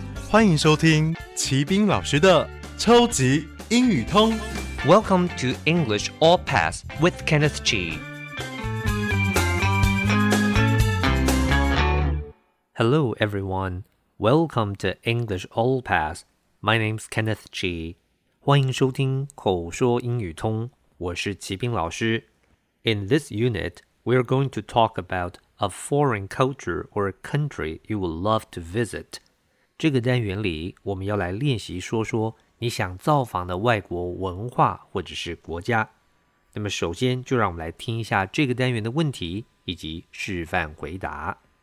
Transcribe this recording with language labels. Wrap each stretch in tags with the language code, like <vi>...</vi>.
<zh>欢迎收听齐宾老师的超级英语通。</zh> <en>Welcome to English All Pass with Kenneth G. Hello, everyone. Welcome to English All Pass. My name's Kenneth G.</en> <zh>欢迎收听口说英语通。我是齐宾老师。</zh> <en>In this unit, we are going to talk about a foreign culture or a country you would love to visit.</en> <zh>这个单元里，我们要来练习说说你想造访的外国文化或者是国家。那么首先就让我们来听一下这个单元的问题以及示范回答。</zh>